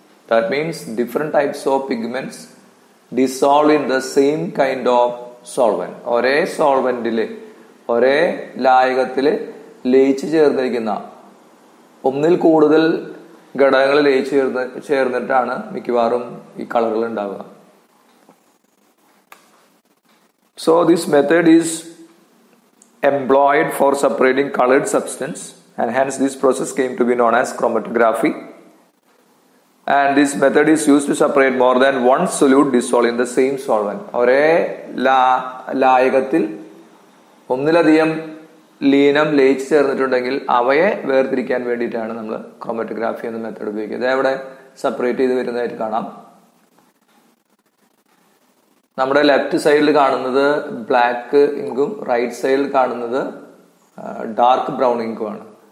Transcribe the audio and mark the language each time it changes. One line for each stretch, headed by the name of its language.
English: That means different types of pigments dissolve in the same kind of solvent.
Malayalam: ഒരേ സോൾവെൻറ്റിൽ ഒരേ ലായകത്തിൽ ലയിച്ചു ചേർന്നിരിക്കുന്ന ഒന്നിൽ കൂടുതൽ ഘടകങ്ങൾ ലയിച്ച് ചേർന്നിട്ടാണ് മിക്കവാറും ഈ കളറുകൾ ഉണ്ടാവുക.
English: So this method is employed for separating colored substance and hence this process came to be known as chromatography. And this method is used to separate more than one solute dissolved in the same solvent.
Malayalam: ഒരേ ലായകത്തിൽ ഒന്നിലധികം ലീനം ലയിച്ച് ചേർന്നിട്ടുണ്ടെങ്കിൽ അവയെ വേർതിരിക്കാൻ വേണ്ടിയിട്ടാണ് നമ്മൾ chromatography എന്ന method ഉപയോഗിക്കുന്നത്. അതവിടെ സെപ്പറേറ്റ് ചെയ്ത് വരുന്നതായിട്ട് കാണാം. നമ്മുടെ ലെഫ്റ്റ് സൈഡിൽ കാണുന്നത് ബ്ലാക്ക് ഇങ്കും റൈറ്റ് സൈഡിൽ കാണുന്നത് ഡാർക്ക് ബ്രൗൺ ഇങ്കുമാണ്.